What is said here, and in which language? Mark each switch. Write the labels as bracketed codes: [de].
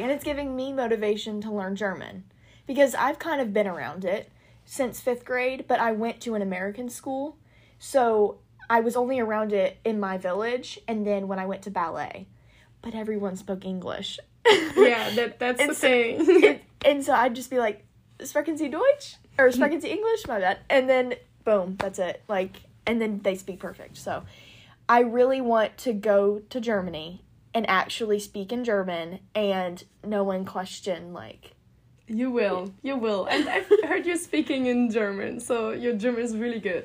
[en] And it's giving me motivation to learn German because I've kind of been around it since fifth grade, but I went to an American school, so I was only around it in my village, and then when I went to ballet, but everyone spoke English. Yeah, that's the thing. And so I'd just be like, [de] sprechen Sie Deutsch? [en] Or [de] sprechen Sie English? [en] My bad. And then, boom, that's it. Like, and then they speak perfect. So I really want to go to Germany and actually speak in German, and no one question, like, You will. You will. And I've heard you speaking in German, so your German is really good.